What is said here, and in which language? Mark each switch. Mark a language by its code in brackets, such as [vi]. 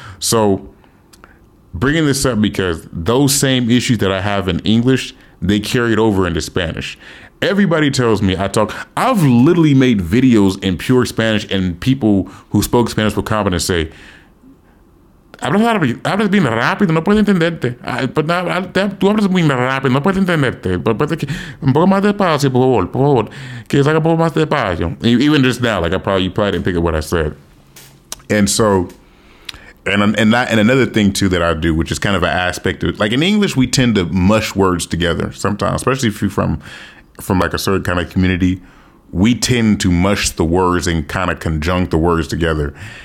[en] So bringing this up because those same issues that I have in English, they carry it over into Spanish. Everybody tells me I've literally made videos in pure Spanish, and people who spoke Spanish were common and say, [es] hablas bien rápido, no puedo entenderte. Tú hablas muy rápido, no puedo entenderte. Un poco más despacio, por favor, por favor. Que salga un poco más despacio. [en] Even just now, like, you probably didn't think of what I said. And so, and another thing, too, that I do, which is kind of an aspect of, like, in English, we tend to mush words together sometimes, especially if you're from like, a certain kind of community. We tend to mush the words and kind of conjunct the words together.